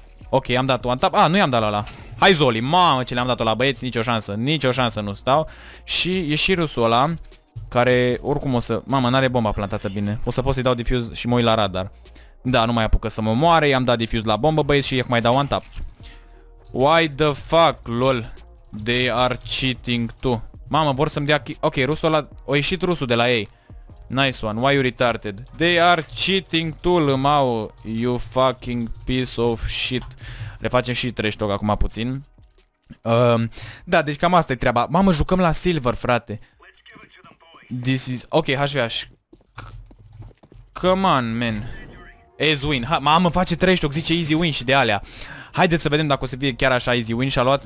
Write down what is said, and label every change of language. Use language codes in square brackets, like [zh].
[ro] Ok, am dat One Tap, a, nu i-am dat la ăla. Hai Zoli, mamă ce le-am dat-o la băieți, nicio șansă, nicio șansă nu stau. Și e și rusul ăla, care oricum o să, mamă, n-are bomba plantată bine. O să pot să-i dau defuse și mă uit la radar. Da, nu mai apucă să mă moare, i-am dat defuse la bombă băieți și eu mai dau One Tap. [en] Why the fuck, lol, they are cheating too. [ro] Mamă, vor să-mi dea... Ok, rusul ăla... O ieșit rusul de la ei. [en] Nice one, why you retarded? They are cheating too, lmao. You fucking piece of shit. [ro] Le facem și trash talk acum puțin. Da, deci cam asta e treaba. Mamă, jucăm la silver, frate. [en] This is... Ok, HVH. Come on, man. As win. [ro] Mamă, face trash talk, zice easy win și de alea. Haideți să vedem dacă o să fie chiar așa easy win. Și-a luat...